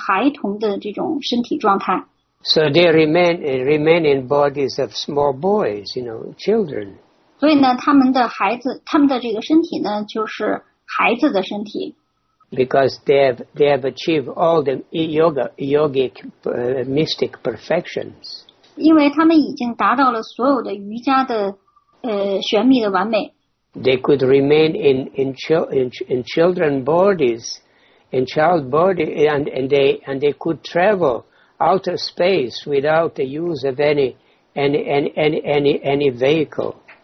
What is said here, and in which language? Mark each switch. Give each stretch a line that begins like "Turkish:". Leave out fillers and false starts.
Chinese: 并且不被他们的这个父亲一直就强迫他们去做这件事呢，他们就决定让自己一直保持着孩童的这种身体状态。
English: So they remain in bodies of small boys, you know, children.
Chinese: 所以呢，他们的孩子，他们的这个身体呢，就是孩子的身体。
English: Because they have achieved all the yogic mystic perfections.
Chinese: 因为他们已经达到了所有的瑜伽的。
English: They could remain in child bodies, and they could travel outer space without the use of any vehicle.